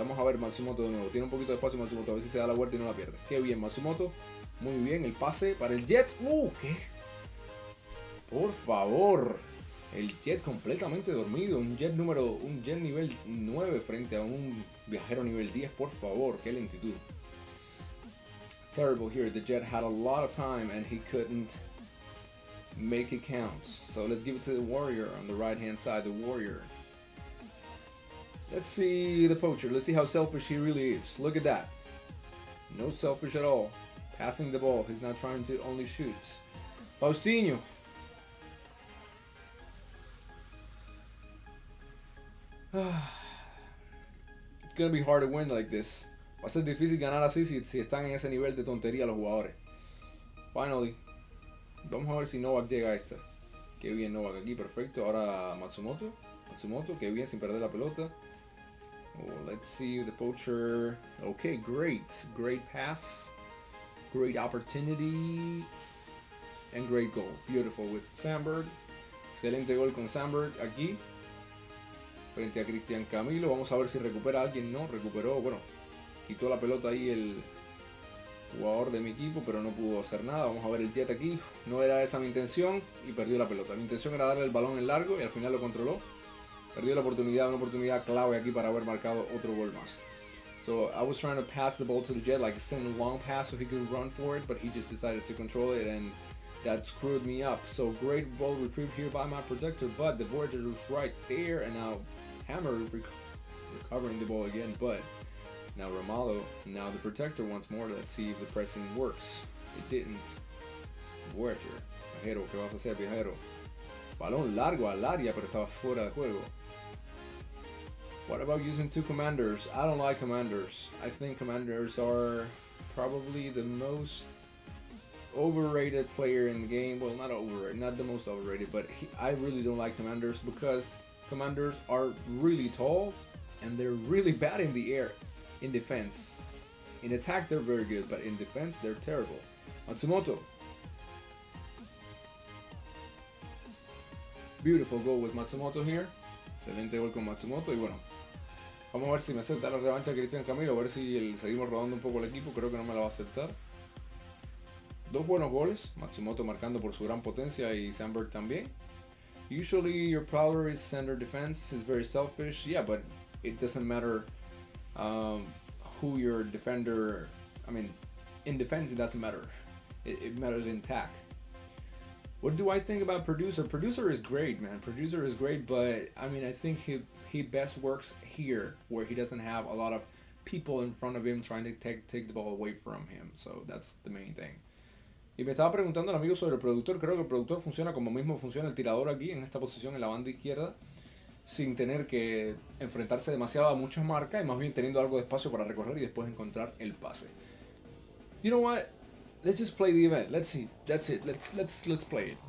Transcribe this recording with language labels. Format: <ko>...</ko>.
<es>Vamos a ver Matsumoto de nuevo. Tiene un poquito de espacio Matsumoto. A ver si se da la vuelta y no la pierde. Qué bien, Matsumoto. Muy bien, el pase para el Jet. ¿Qué? Por favor. El Jet completamente dormido. Un Jet nivel 9 frente a un viajero nivel 10. Por favor, qué lentitud.</es> <en>Terrible here. The Jet had a lot of time and he couldn't make it count. So let's give it to the Warrior on the right hand side. The Warrior. Let's see the Poacher. Let's see how selfish he really is. Look at that. No selfish at all. Passing the ball. He's not trying to only shoot. Faustino. It's gonna be hard to win like this.</en> <es>Va a ser difícil ganar así si están en ese nivel de tontería los jugadores.</es> <en>Finally.</en> <es>Vamos a ver si Novak llega a esta. Qué bien Novak aquí, perfecto. Ahora Matsumoto. Matsumoto, qué bien, sin perder la pelota.</es> <en>Oh, let's see the Poacher. Okay, great. Great pass. Great opportunity. And great goal. Beautiful with Sandberg.</en> <es>Excelente gol con Sandberg aquí. Frente a Cristian Camilo. Vamos a ver si recupera a alguien. No, recuperó. Bueno, quitó la pelota ahí el jugador de mi equipo, pero no pudo hacer nada. Vamos a ver el Jet aquí. No era esa mi intención y perdió la pelota. Mi intención era darle el balón en largo y al final lo controló. Perdió la oportunidad, una oportunidad clave aquí para haber marcado otro gol más.</es> <en>So I was trying to pass the ball to the Jet, like send a long pass so he could run for it, but he just decided to control it and that screwed me up. So great ball retrieved here by my protector, but the Voyager was right there and now hammer recovering the ball again, but now Romalo, now the protector once more. Let's see if the pressing works. It didn't. Worker.</en> <es>Viajero, ¿qué vas a hacer, viajero? Balón largo al área, pero estaba fuera de juego.</es> <en>What about using two commanders? I don't like commanders. I think commanders are probably the most overrated player in the game. Well, not overrated, not the most overrated, but I really don't like commanders because commanders are really tall and they're really bad in the air in defense. In attack, they're very good, but in defense, they're terrible. Matsumoto. Beautiful goal with Matsumoto here.</en> <es>Excelente gol con Matsumoto y bueno. Vamos a ver si me acepta la revancha Cristian Camilo, a ver si seguimos rodando un poco el equipo, creo que no me la va a aceptar. Dos buenos goles, Matsumoto marcando por su gran potencia y Sandberg también.</es> <en>Usually your power is center defense, it's very selfish, yeah, but it doesn't matter who your defender, I mean, in defense it doesn't matter, it matters in attack. What do I think about Producer? Producer is great, man. Producer is great, but I mean, I think he best works here where he doesn't have a lot of people in front of him trying to take the ball away from him. So that's the main thing.</en> <es>Y me estaba preguntando el amigo sobre el productor. Creo que el productor funciona como mismo funciona el tirador aquí en esta posición en la banda izquierda, sin tener que enfrentarse demasiado a muchas marcas y más bien teniendo algo de espacio para recorrer y después encontrar el pase.</es> <en>You know what? Let's just play the event. Let's see. That's it. Let's play it.</en>